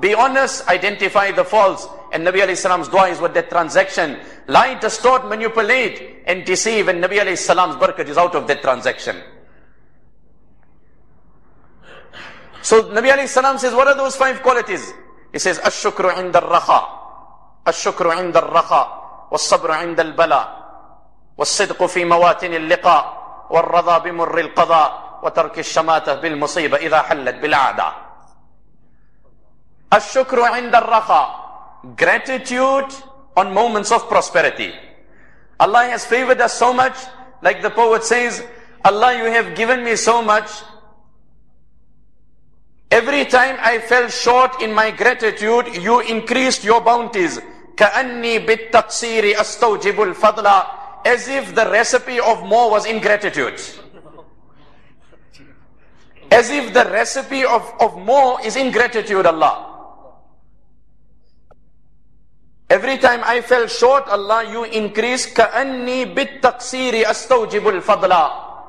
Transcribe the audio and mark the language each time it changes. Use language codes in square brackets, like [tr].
[en] Be honest, identify the faults. And Nabi alayhi salam's dua is with that transaction. Lie, distort, manipulate, and deceive. And Nabi alayhi salam's barakat is out of that transaction. So Nabi alayhi salam says, what are those five qualities? He says, [ar] أَشْشُكْرُ عِنْدَ الرَّخَى أَشْشُكْرُ عِنْدَ الرَّخَى وَالصَّبْرُ عِنْدَ الْبَلَى وَالصِّدْقُ فِي مَوَاتِنِ اللِّقَى والرضا بمر القضاء وترك الشماتة بالمصيبة إذا حلت بالعادة. الشكر عند الرخاء. [en] Gratitude on moments of prosperity. Allah has favored us so much, like the poet says, Allah, you have given me so much. Every time I fell short in my gratitude, you increased your bounties. [ar] كأني بالتقصير أستوجب الفضل. [en] As if the recipe of more was ingratitude. As if the recipe of more is ingratitude, Allah. Every time I fell short, Allah, you increase. [ar] كَأَنِّي بِالتَّقْسِيرِ أَسْتَوْجِبُ الْفَضْلَ.